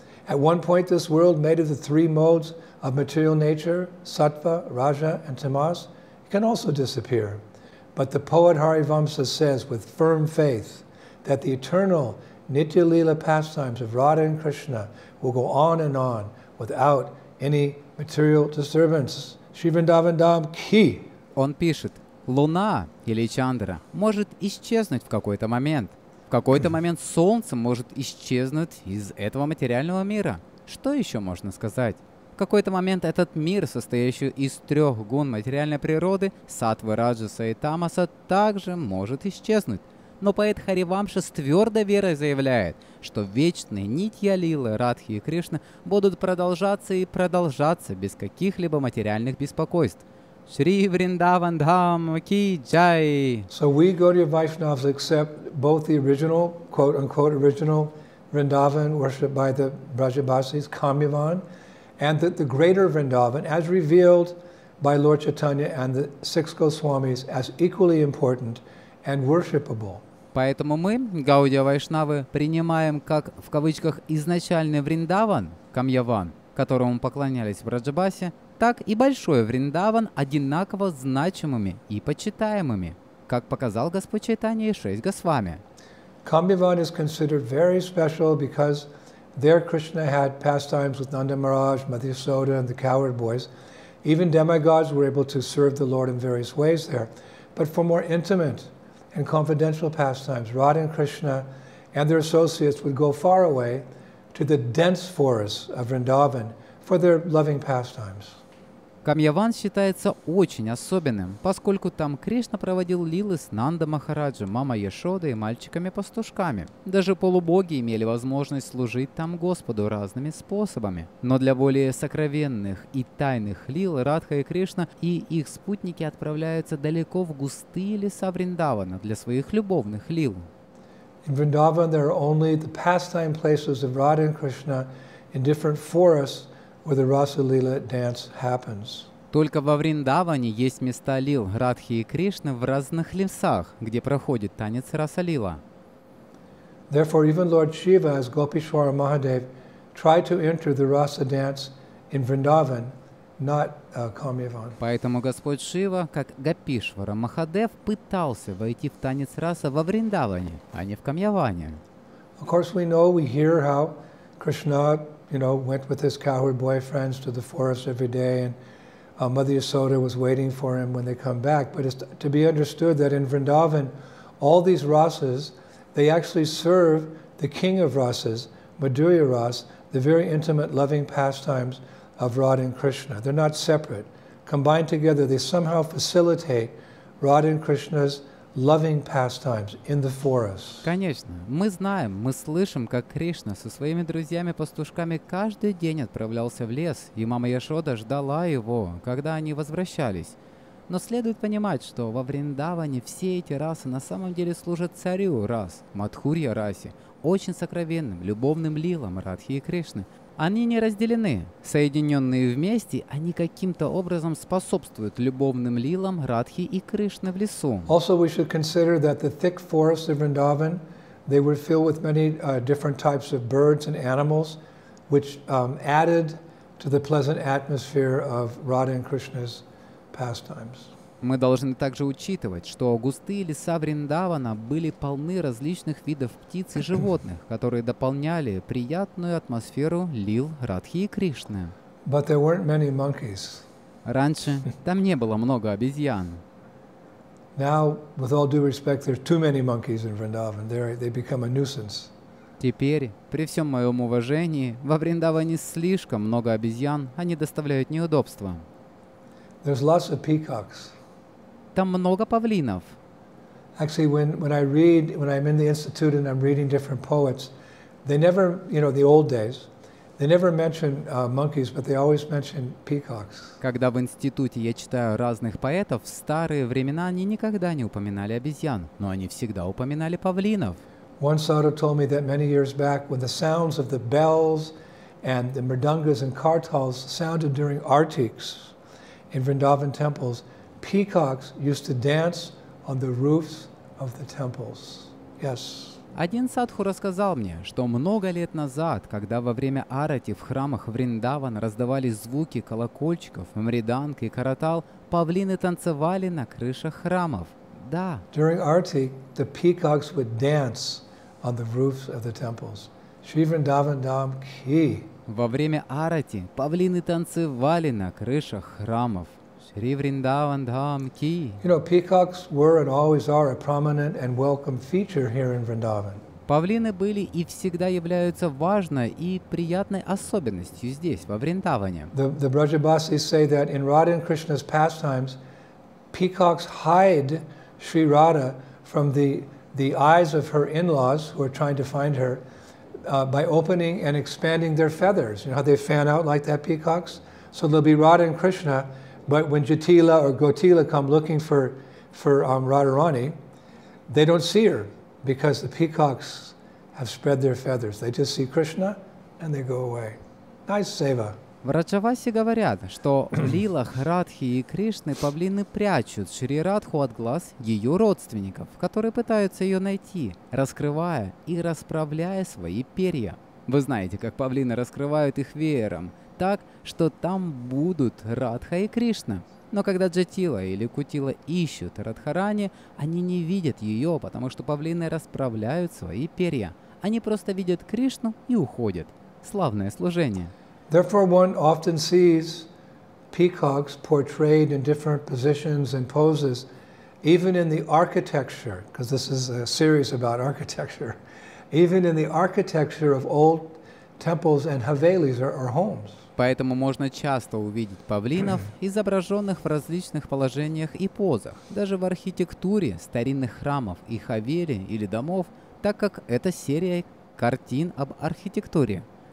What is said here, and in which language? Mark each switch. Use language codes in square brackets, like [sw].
[en] At one point, this world made of the three modes of material nature, Sattva, Raja, and Tamas, can also disappear. But the poet Harivamsa says with firm faith, that the eternal Nitya-lila pastimes of Radha and Krishna will go on and on without any material disturbance. [hi] Shri Vrindavan Dham Ki. [ru] Он пишет, луна или чандра может исчезнуть в какой-то момент. какой-то момент солнце может исчезнуть из этого материального мира. Что еще можно сказать? В какой-то момент этот мир, состоящий из трех гун материальной природы, сатвы, раджаса и тамаса, также может исчезнуть. Но поэт Харивамша с твердой верой заявляет, что вечные нитья лилы, Радхи и Кришны будут продолжаться и продолжаться без каких-либо материальных беспокойств. [hi] Шри Вриндаван Дхам Ки Джай. [en] So we Gaudiya Vaishnavas accept both the original, quote unquote original Vrindavan worshipped by the Brajabasis, Kamyavan, and that the greater Vrindavan, as revealed by Lord Chaitanya and the six Goswamis, as equally important and worshipable. [ru] Поэтому мы, Гаудия Вайшнавы, принимаем как в кавычках изначальный Вриндаван, Камьяван, которому поклонялись в Раджабасе, так и большой Вриндаван одинаково значимыми и почитаемыми, как показал Господь Чайтанья и шесть Госвами. [en] Камьяван is considered very special because there Krishna had pastimes with Nanda Maharaj, Madhyasoda and the cowherd boys. Even demigods were able to serve the Lord in various ways there. But for more intimate and confidential pastimes, Radha and Krishna and their associates would go far away to the dense forests of Vrindavan for their loving pastimes. [ru] Камьяван считается очень особенным, поскольку там Кришна проводил лилы с Нанда Махараджа, мама Яшода и мальчиками-пастушками. Даже полубоги имели возможность служить там Господу разными способами. Но для более сокровенных и тайных лил Радха и Кришна и их спутники отправляются далеко в густые леса Вриндавана для своих любовных лил. [en] In Vrindavan there are only the pastime places of Radha and Krishna in different forests where the Rasa Lila dance happens. [ru] Только во Вриндаване есть места лил Радхи и Кришны в разных лесах, где проходит танец Раса Лила. [en] Therefore, even Lord Shiva, as Gopishwara Mahadev, tried to enter the Rasa dance in Vrindavan, not Kamyavan. [ru] Поэтому Господь Шива, как Гопишвара Махадев, пытался войти в танец Раса во Вриндаване, а не в Камьяване. [en] Of course, we know, we hear how Krishna, you know, went with his cowherd boyfriends to the forest every day, and Mother Yasoda was waiting for him when they come back. But it's to be understood that in Vrindavan, all these rasas, they actually serve the king of rasas, Madhurya Ras, the very intimate, loving pastimes of Radha and Krishna. They're not separate. Combined together, they somehow facilitate Radha and Krishna's loving pastimes in the forest. [ru] Конечно, мы знаем, мы слышим, как Кришна со своими друзьями-пастушками каждый день отправлялся в лес, и мама Яшода ждала его, когда они возвращались. Но следует понимать, что во Вриндаване все эти расы на самом деле служат царю рас, Мадхурья расе, очень сокровенным, любовным лилам Радхи и Кришны. Они не разделены. Соединенные вместе, они каким-то образом способствуют любовным лилам Радхи и Кришны в лесу. [en] Also, we should consider that the thick forests of Vrindavan, they were filled with many different types of birds and animals, which added to the pleasant atmosphere of Radha and Krishna's pastimes. [ru] Мы должны также учитывать, что густые леса Вриндавана были полны различных видов птиц и животных, которые дополняли приятную атмосферу лил Радхи и Кришны. [en] But there weren't many monkeys. [ru] Раньше там не было много обезьян. [en] Now, with all due respect, there's too many monkeys in Vrindavan. They become a nuisance. [ru] Теперь, при всем моем уважении, во Вриндаване слишком много обезьян, они доставляют неудобства. [en] There's lots of peacocks. [ru] Там много павлинов. [en] Actually, when I'm in the institute and I'm reading different poets, they never, you know, the old days, they never mention monkeys, but they always mention peacocks. [ru] Когда в институте я читаю разных поэтов, в старые времена они никогда не упоминали обезьян, но они всегда упоминали павлинов. [en] One sadhu told me that many years back, when the sounds of the bells and the mridangas and kartals sounded during artiks in Vrindavan temples, peacocks used to dance on the roofs of the temples. Yes. [ru] Один садху рассказал мне, что много лет назад, когда во время арати в храмах Вриндаван раздавались звуки колокольчиков, мриданг и каратал, павлины танцевали на крышах храмов. Да. [en] During arati, the peacocks would dance on the roofs of the temples. [hi] Shri Vrindavan Dham Ki. [ru] Во время арати павлины танцевали на крышах храмов. [hi] Shri Vrindavan Dham Ki. [en] You know, peacocks were and always are a prominent and welcome feature here in Vrindavan. [ru] Павлины были и всегда являются важной и приятной особенностью здесь, во Вриндаване. [en] The Brajabasis say that in Radha and Krishna's pastimes, peacocks hide Sri Radha from the eyes of her in-laws who are trying to find her by opening and expanding their feathers. You know how they fan out like that, peacocks? So there'll be Radha and Krishna, but when Jatila or Gotila come looking for Radharani, they don't see her because the peacocks have spread their feathers. They just see Krishna and they go away. Nice seva. [ru] В Раджаваси говорят, что в лилах Радхи и Кришны павлины прячут Шри Радху от глаз ее родственников, которые пытаются ее найти, раскрывая и расправляя свои перья. Вы знаете, как павлины раскрывают их веером, так, что там будут Радха и Кришна. Но когда Джатила или Кутила ищут Радхарани, они не видят ее, потому что павлины расправляют свои перья. Они просто видят Кришну и уходят. Славное служение. [en] Therefore, one often sees peacocks portrayed in different positions and poses, even in the architecture, because this is a series about architecture, even in the architecture of old temples and havelis or homes. [ru] Поэтому можно часто увидеть павлинов, изображенных в различных положениях и позах, даже в архитектуре старинных храмов и хавели или домов, так как это серия картин об архитектуре.